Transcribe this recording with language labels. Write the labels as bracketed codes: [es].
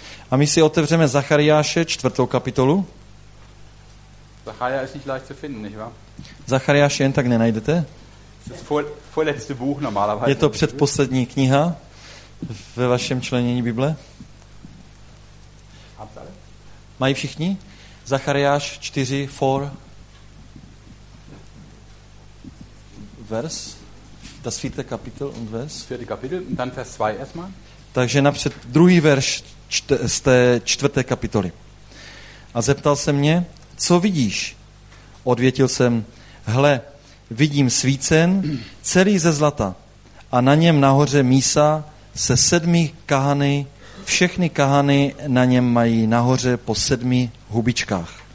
[cs] A my si otevřeme Zachariáše 4. kapitolu. [de] Zachariáš je nicht leicht zu finden, nicht wahr? [cs] Zachariáš jen tak nenajdete. [de] Vorletzte Buch normalerweise. [cs] Je to předposlední kniha ve vašem členění Bible? Mají všichni? [de] Zachariáš 4, 4, vers, das vierte Kapitel und vers. Vierte Kapitel und dann vers 2 erstmal. [cs] Takže napřed druhý verš z té čtvrté kapitoly. A zeptal se mě, co vidíš? Odvětil jsem, hle, vidím svícen, celý ze zlata, a na něm nahoře mísa se 7 kahany, všechny kahany na něm mají nahoře po 7 hubičkách.